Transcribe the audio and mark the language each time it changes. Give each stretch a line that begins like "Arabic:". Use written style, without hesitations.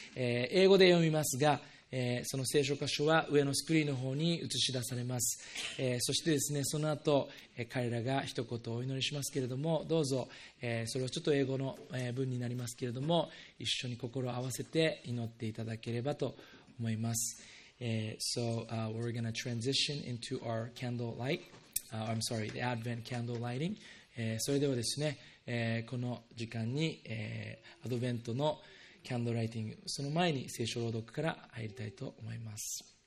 Japanese: 英語で読みますが、その聖書箇所は上のスクリーンの方に映し出されます。そしてですね、その後、彼らが一言お祈りしますけれども、どうぞ、それはちょっと英語の、文になりますけれども、一緒に心を合わせて祈っていただければと思います。
English: So, we're going to transition into our candlelight. I'm sorry, the Advent candle lighting.
Japanese: それではですね、この時間に、アドベントのキャンドルライティング、その前に聖書朗読から入りたいと思います。